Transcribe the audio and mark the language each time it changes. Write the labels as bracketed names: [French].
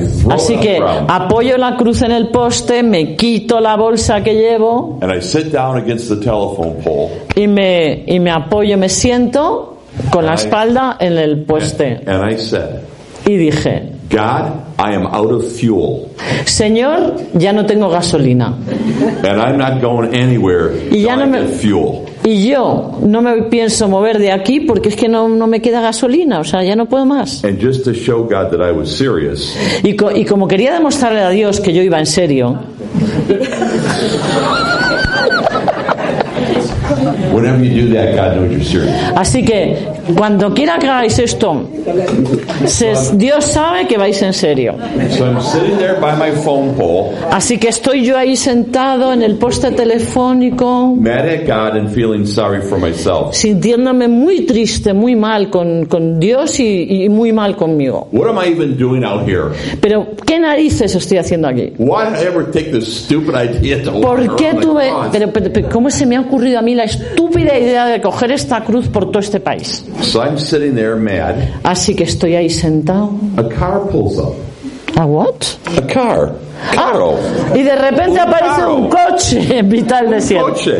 [Spanish] Así que apoyo la cruz en el poste, me quito la bolsa que llevo [English] and I sit down against the telephone pole. [Spanish] Y me apoyo, me siento con la espalda en el poste. [English] And I said, [Spanish] y dije, [English] God, I am out of fuel. [Spanish] Señor, ya no tengo gasolina. [English] And I'm not going anywhere [Spanish] y ya no me, [English] fuel. [Spanish] Y yo no me pienso mover de aquí porque es que no me queda gasolina, o sea, ya no puedo más. [English] And just to show God that I was serious. [Spanish] Y como quería demostrarle a Dios que yo iba en serio. [English] Whenever you do that, God knows you're serious. [Spanish] Así que cuando quiera que hagáis esto, Dios sabe que vais en serio. [English] So I'm sitting there by my phone pole. [Spanish] Así que estoy yo ahí sentado en el poste telefónico. [English] Mad at God and feeling sorry for myself. [Spanish] Sintiéndome muy triste, muy mal con Dios y muy mal conmigo. [English] What am I even doing out here? [Spanish] Pero ¿qué narices estoy haciendo aquí? [English] Why did I ever take this stupid idea to walk? [Spanish] ¿Por qué tuve? Pero ¿cómo se me ha ocurrido a mí la estúpida idea de coger esta cruz por todo este país? [English] So I'm sitting there mad. Así que estoy ahí sentado. A car pulls up. A what? A car. Carro. [Spanish] Ah, y de repente aparece un coche en mitad del desierto.